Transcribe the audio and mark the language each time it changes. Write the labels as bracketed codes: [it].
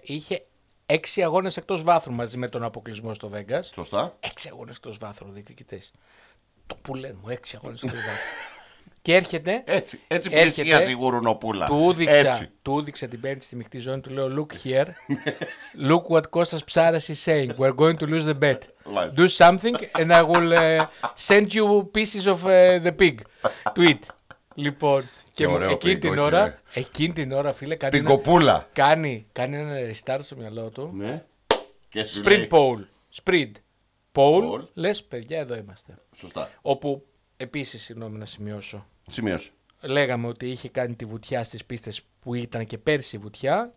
[el] Είχε 6 αγώνες εκτός βάθρου μαζί με τον αποκλεισμό στο Vegas. Σωστά. 6 αγώνες εκτός βάθρου, διεκδικητές. Το που λένε μου, 6 αγώνες εκτός βάθρου. Και έρχεται. Έτσι πλησίαζε η Γουρουνοπούλα. Του έδειξε την πέμπτη στη μεικτή ζώνη, του λέω: [en] Look here. Look what Kostas Psaras is saying. We're going to lose the bet. Do something and I will send you pieces of the pig. [el] Tweet. Λοιπόν. Και ωραίο, εκείνη, πίγκο, την ώρα, εκείνη την ώρα, φίλε, κάνει ένα, κάνει ένα restart στο μυαλό του. Ναι. Και sprint pole. Sprint pole. Λες, παιδιά, εδώ είμαστε. Σωστά. Όπου επίσης, συγγνώμη να σημειώσω. Σημειώσω. Λέγαμε ότι είχε κάνει τη βουτιά στις πίστες που ήταν και πέρσι η βουτιά.